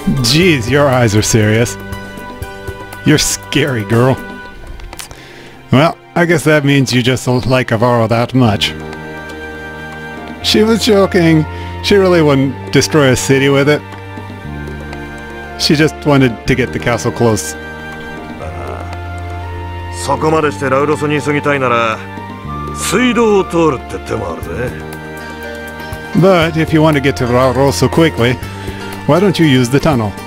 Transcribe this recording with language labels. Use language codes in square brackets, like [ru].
[en] Jeez, your eyes are serious. You're scary, girl. Well, I guess that means you just don't like Avaro that much. She was joking. She really wouldn't destroy a city with it. She just wanted to get the castle close. [ja] そこまでしてラウロソに急ぎたいなら、水道を通るって手もあるぜ。 [en] But if you want to get to ラウロソ quickly, why don't you use the tunnel?